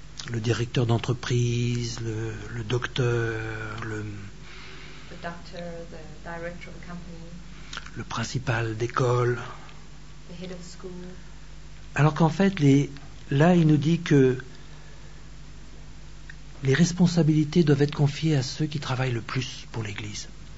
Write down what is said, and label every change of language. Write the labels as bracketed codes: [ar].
[fr] Le directeur d'entreprise, le docteur, [en] the the doctor, the director of the company, [fr] le principal d'école. [en] The head of school. [fr] Alors qu'en fait, là, il nous dit que les responsabilités doivent être confiées à ceux qui travaillent le plus pour l'Église.